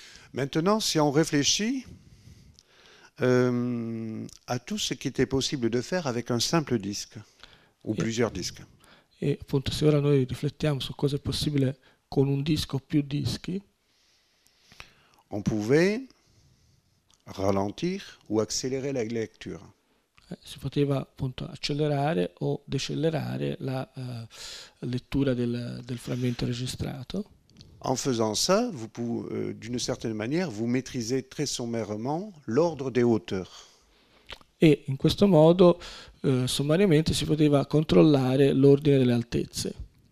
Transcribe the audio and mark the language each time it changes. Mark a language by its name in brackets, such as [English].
[French] Maintenant, si on réfléchit, à tout ce qui était possible de faire avec un simple disque ou plusieurs disques. [Italian] Et appunto, se ora noi riflettiamo su cosa è possibile con un disco o più dischi, [French] on pouvait ralentir ou accélérer la lecture. [Italian] Si poteva appunto accelerare o decelerare la lettura del frammento registrato. [French] En faisant ça, vous pouvez, d'une certaine manière, vous maîtrisez très sommairement l'ordre des hauteurs. [Italian] Et in questo modo, sommariamente, si poteva controllare l'ordine delle altezze.